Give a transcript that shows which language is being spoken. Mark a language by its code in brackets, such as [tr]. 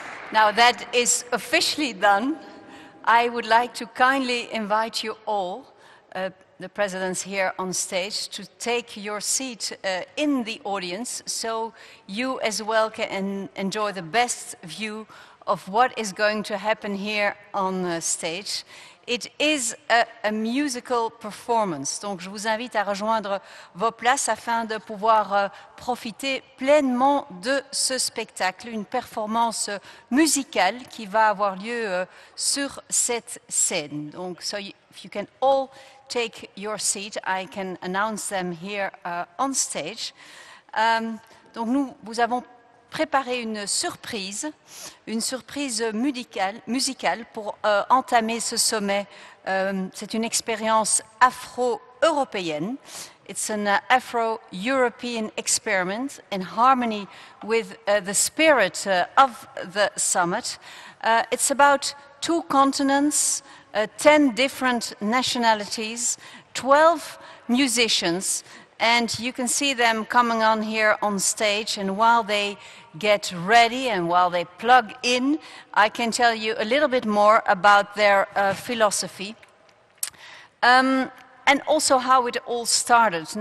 [en] Now that is officially done, I would like to kindly invite you all, the presidents here on stage, to take your seat in the audience so you as well can enjoy the best view of what is going to happen here on stage. It is a musical performance. [fr] Donc je vous invite à rejoindre vos places afin de pouvoir profiter pleinement de ce spectacle, une performance musicale qui va avoir lieu sur cette scène. [en] Donc so if you can all take your seat, I can announce them here on stage. [fr] Donc nous vous avons préparer une surprise musicale pour entamer ce sommet. C'est une expérience afro-européenne. [en] It's an Afro-European experiment in harmony with the spirit of the summit. It's about two continents, 10 different nationalities, 12 musicians, and you can see them coming on here on stage, and while they get ready and while they plug in, I can tell you a little bit more about their philosophy and also how it all started.